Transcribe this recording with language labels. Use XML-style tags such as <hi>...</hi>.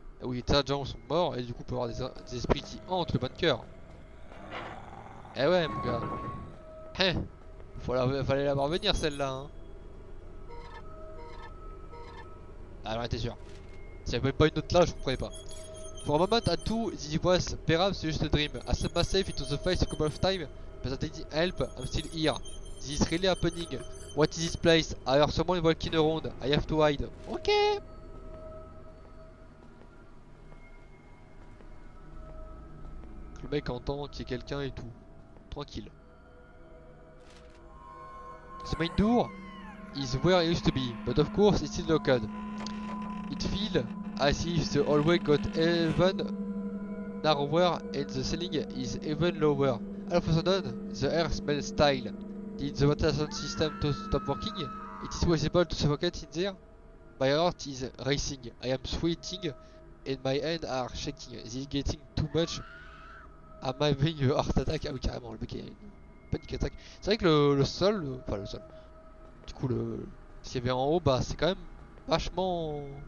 <fr>Où les tas de gens sont morts et du coup peut avoir des esprits qui hantent le bunker. Eh ouais mon gars. Heh. Fallait la voir venir celle-là hein. Alors t'es sûr. S'il n'y avait pas une autre là, je comprenais pas.</fr> <en>For a moment at two, this was perhaps just a dream. I set myself into the face a couple of times, but I didn't help, I'm still here. This is really happening. What is this place? I heard someone walking around. I have to hide. Ok.</en> <fr>Le mec entend qu'il y a quelqu'un et tout. Tranquille.</fr> <en>The main door is where it used to be, but of course it's still locked. It feels as if the hallway got even narrower and the ceiling is even lower. All of a sudden, the air smells stale. Did the ventilation system to stop working? It is possible to suffocate in there? My heart is racing. I am sweating and my hands are shaking. Is it getting too much? Am I having a heart attack?</en> <fr>Ah oui, carrément, le mec a une panic attack. C'est vrai que le sol, enfin le sol, du coup, s'il y avait en haut, bah c'est quand même vachement.</fr>